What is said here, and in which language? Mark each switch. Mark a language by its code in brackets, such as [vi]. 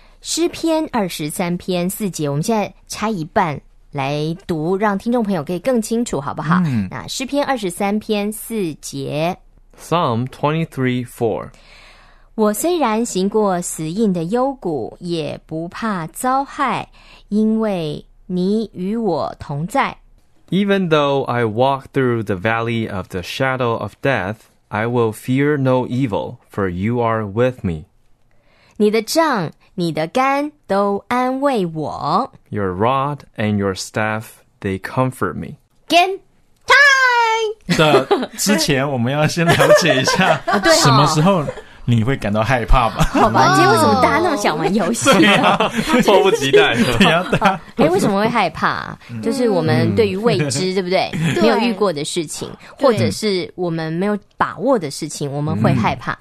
[zh] 诗篇23:4，我们现在拆一半来读，让听众朋友可以更清楚，好不好？那诗篇23:4 [en] Psalm 23:4， [zh] 我虽然行过死荫的幽谷，也不怕遭害，因为你与我同在。 [en] Even though I walk through the valley of the shadow of death, I will fear no evil, for you are with me. [zh] 你的杖你的肝都安慰我。 [en] Your rod and your staff, they comfort me. Game time! [zh] 的之前我们要先了解一下什么时候你会感到害怕吧。好吧，今天为什么大家那么想玩游戏呢？迫不及待。哎，为什么会害怕？就是我们对于未知，对不对？没有遇过的事情，或者是我们没有把握的事情，我们会害怕。